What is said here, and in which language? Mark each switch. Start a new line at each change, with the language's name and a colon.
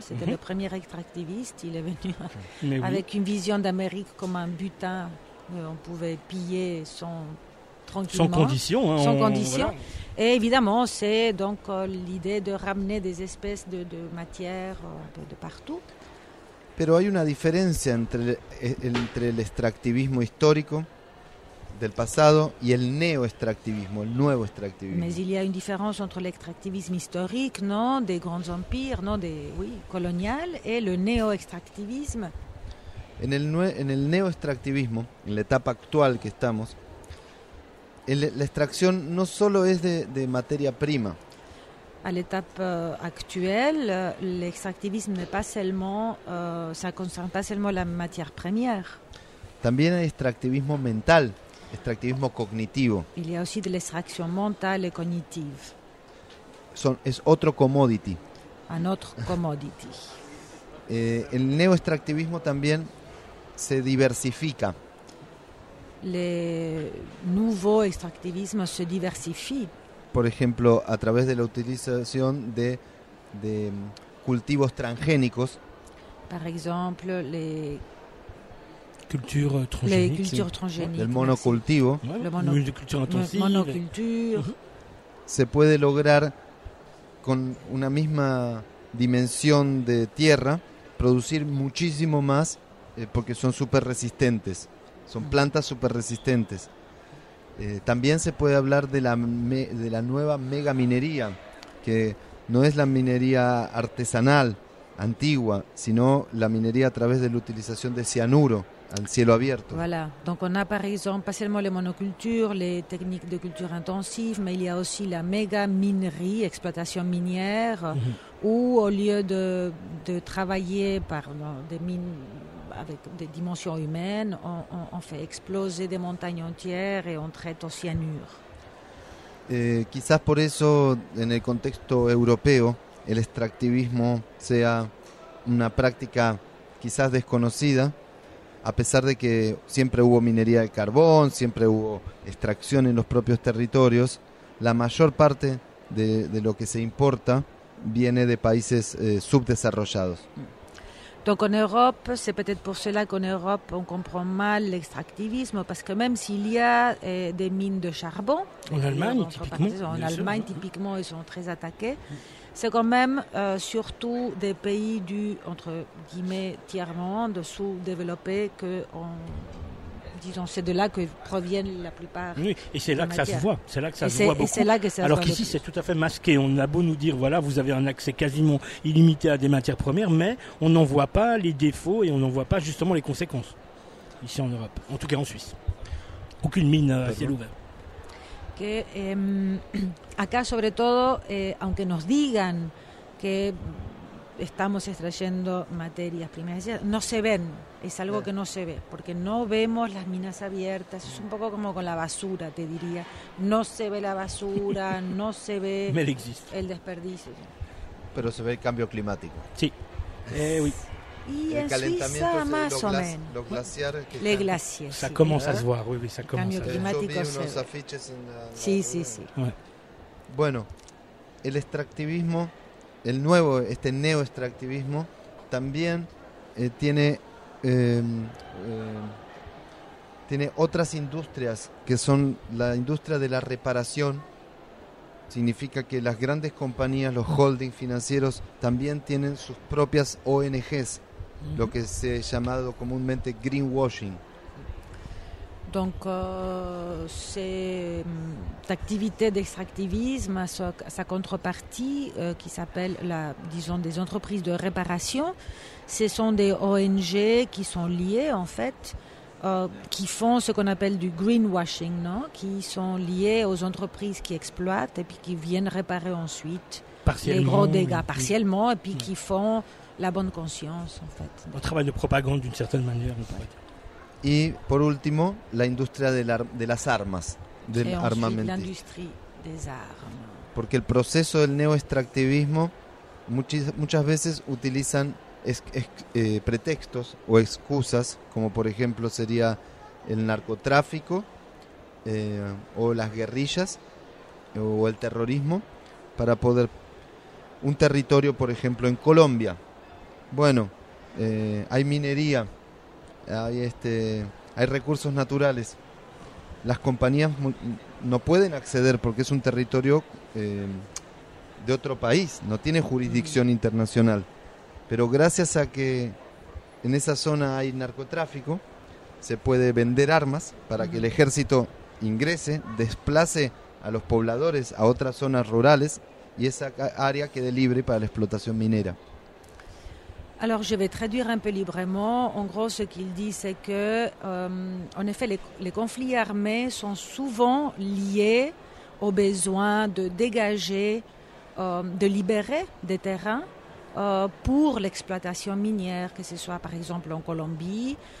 French: C'était le premier extractiviste. Il est venu avec une vision d'Amérique comme un butin. On pouvait piller sans tranquillement. Sans condition. Voilà. Et évidemment, c'est donc l'idée de ramener des espèces de matières de partout.
Spanish: Pero hay una diferencia entre el extractivismo histórico del pasado y el neo-extractivismo, el nuevo extractivismo.
French: Mais il y a une différence entre l'extractivisme historique, non, des grands empires, non, des oui, colonial et le néo-extractivisme.
Spanish: En el neo-extractivismo, en la etapa actual que estamos, la extracción no solo es de materia prima.
French: À l'étape actuelle, l'extractivisme n'est pas seulement ça concerne pas seulement la matière première.
Spanish: También hay extractivismo mental. Extractivismo cognitivo.
French: Il y a aussi de l'extraction mentale et cognitive.
Spanish: Es otro commodity.
French: Un autre commodity.
Spanish: El neoextractivismo también se diversifica.
French: Le nouveau extractivisme se diversifie.
Spanish: Por ejemplo, a través de la utilización de cultivos transgénicos.
French: Par exemple, les cultures transgéniques. Les cultures transgéniques.
Spanish: El monocultivo.
French: Monoculture.
Spanish: Se puede lograr con una misma dimensión de tierra producir muchísimo más porque son super resistentes. Son plantas super resistentes. También se puede hablar de la nueva mega minería, que no es la minería artesanal antigua, sino la minería a través de la utilización de cianuro. Al cielo abierto.
French: Voilà, donc on a par exemple pas seulement les monocultures, les techniques de culture intensive, mais il y a aussi la méga minerie, exploitation minière, où au lieu de travailler par des mines avec des dimensions humaines, on fait exploser des montagnes entières et on traite au cyanure.
Spanish: Quizás por eso, en el contexto europeo, el extractivismo sea una práctica quizás desconocida. A pesar de que siempre hubo minería de carbón, siempre hubo extracción en los propios territorios, la mayor parte de lo que se importa viene de países subdesarrollados.
French: Donc en Europe, c'est peut-être pour cela qu'en Europe on comprend mal l'extractivisme, parce que même s'il y a des mines de charbon, en Allemagne typiquement, ils sont très attaqués, c'est quand même surtout des pays du entre guillemets tiers monde sous-développés que on disons, c'est de là que proviennent la plupart. Oui, et c'est là que ça se voit. C'est là que ça se voit beaucoup. Et c'est là que ça se voit. Alors qu'ici, c'est tout à fait masqué. On a beau nous dire, voilà, vous avez un accès quasiment illimité à des matières premières, mais on n'en voit pas les défauts et on n'en voit pas justement les conséquences ici en Europe, en tout cas en Suisse. Aucune mine à ciel ouvert.
Spanish: Que acá sobre todo, aunque nos digan que estamos extrayendo materias primas, no se ven, es algo que no se ve, porque no vemos las minas abiertas, es un poco como con la basura, te diría, no se ve la basura, no se ve el desperdicio. Pero se ve el cambio climático. Sí, oui. Y el en Suiza, más o menos. Los glaciares.
French: Les glaciers. Ça commence à se voir, oui, ça commence.
Spanish: Cambio climático. Yo vi unos afiches en la sí, rueda. Sí, sí. Bueno, el extractivismo, el nuevo, este neo-extractivismo, también tiene, tiene otras industrias, que son la industria de la reparación. Significa que las grandes compañías, los holdings financieros, también tienen sus propias ONGs. Lo que se ha llamado comúnmente greenwashing.
French: Donc cette activité d'extractivisme a sa contrepartie qui s'appelle la disons des entreprises de réparation. Ce sont des ONG qui sont liées en fait qui font ce qu'on appelle du greenwashing, non, qui sont liées aux entreprises qui exploitent et puis qui viennent réparer ensuite les gros dégâts partiellement et puis qui font la bonne conscience, en fait. Un travail de propagande, d'une certaine manière. Et, pour
Spanish: último, la industria de las armas, del armamento.
French: L'industrie des armes. Parce que le processus du néo-extractivisme,
Spanish: muchas veces
French: utilisan prétextes ou
Spanish: excusas,
French: comme par exemple
Spanish: sería el narcotráfico,
French: ou
Spanish: las guerrillas,
French: ou el terrorisme,
Spanish: para poder. Un territorio,
French: par exemple,
Spanish: en Colombia. Bueno, hay minería, hay recursos naturales. Las compañías no pueden acceder porque es un territorio de otro país, no tiene jurisdicción internacional. Pero gracias a que en esa zona hay narcotráfico, se puede vender armas para que el ejército ingrese, desplace a los pobladores a otras zonas rurales y esa área quede libre para la explotación minera.
French: Alors, je vais traduire un peu librement. En gros, ce qu'il dit, c'est que, en effet, les conflits armés sont souvent liés au besoin de dégager, de libérer des terrains pour l'exploitation minière, que ce soit, par exemple, en Colombie.